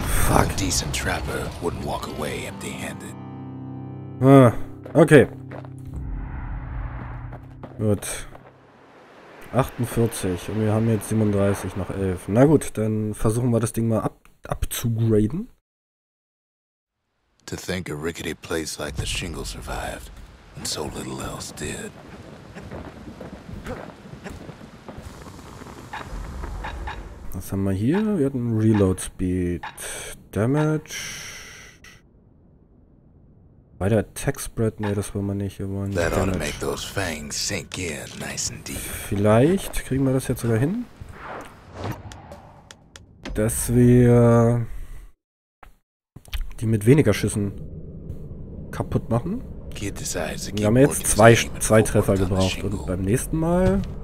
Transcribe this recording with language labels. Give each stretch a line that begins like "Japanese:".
English: A decent trapper wouldn't walk away empty-handed. Okay.
German: Gut. 48 und wir haben jetzt 37 noch 11. Na gut, dann versuchen wir das Ding mal abzugraden.
English: To think a rickety place like the Shingle survived. And so little else did.
German: Was haben wir hier? Wir hatten Reload Speed. Damage. Bei der Attack Spread, ne, das wollen wir nicht. Wir wollen
English: that ought to make those fangs sink in nice and deep.
German: Vielleicht kriegen wir das jetzt sogar hin. Dass wir die mit weniger Schüssen kaputt machen. Wir haben jetzt zwei Treffer gebraucht und beim nächsten Mal.